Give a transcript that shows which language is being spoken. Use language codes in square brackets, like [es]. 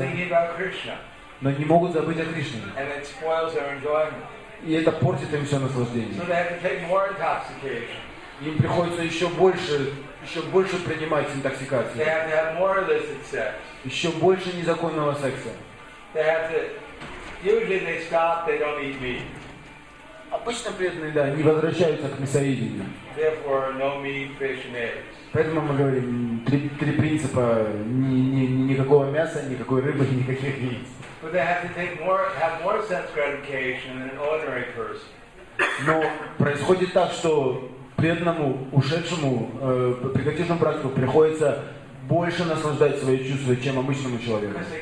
[en] Thinking about Krishna. [ru] Но не могут забыть о Кришне. [en] And it spoils their enjoyment. [ru] И это портит им все наслаждение. [en] So they have to take more intoxication. [ru] Им приходится еще больше принимать интоксикацию. [en] They have to have more illicit sex. [ru] Еще больше незаконного секса. [en] They have to, usually they stop, they don't eat meat. [ru] Обычно преданные, да, не возвращаются к мясоедению. [en] Therefore, no meat, fish, and eggs. [ru] Поэтому мы говорим три принципа: никакого мяса, никакой рыбы, никаких яиц. [en] But they have to have more sense gratification than an ordinary person. [ru] Но происходит так, что преданному, ушедшему, прихотившему братству приходится больше наслаждать свои чувства, чем обычному человеку.